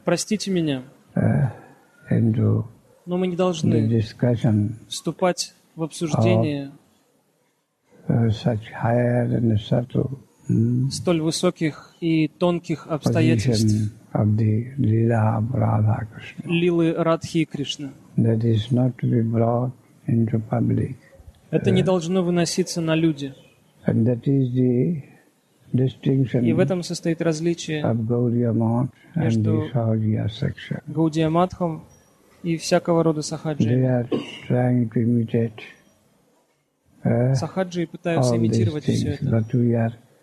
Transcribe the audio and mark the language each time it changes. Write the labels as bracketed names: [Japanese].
[Russian] Простите меня, [English] into [Russian] но мы не должны [English] discussion [Russian] вступать в обсуждение [English] such higher and subtle, [Russian] столь высоких и тонких обстоятельств [English] of the Lila of Radha Krishna. [Russian] Лилы Радхи Кришны. [English] That is not to be brought into public. [Russian] Это не должно выноситься на люди. [English] And that is the distinction [Russian] и в этом состоит различие между Гаудия Матхом и всякого рода сахаджи. Сахаджи пытаются имитировать все это.